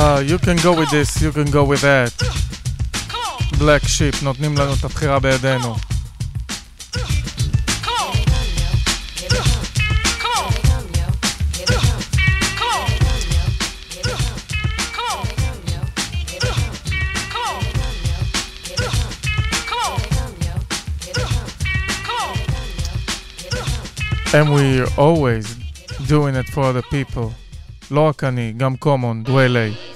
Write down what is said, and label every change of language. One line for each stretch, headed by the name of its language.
English: You can go with this, you can go with that.
Hebrew: Black Sheep, נותנים לנו את הבחירה בידינו.
English: And we always doing it for other people.
Hebrew: לא רק אני, גם קומון, דוויילי.